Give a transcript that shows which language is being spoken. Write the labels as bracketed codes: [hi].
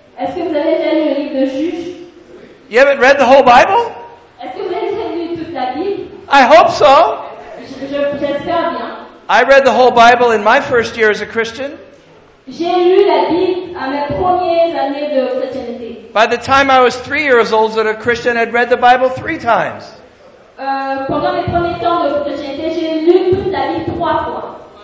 [fr] Est-ce que vous avez déjà lu le livre de Juges? [en] You haven't read the whole Bible? [fr] Est-ce que vous avez déjà lu toute la Bible? [en] I hope so. [fr] J'espère bien. [en] I read the whole Bible in my first year as a Christian. [fr] J'ai lu la Bible à mes premières années de chrétienté. [en] By the time I was 3 years old as a Christian, I'd read the Bible 3 times. [fr] Pendant mes premiers temps de chrétienté, j'ai lu toute la Bible 3 fois.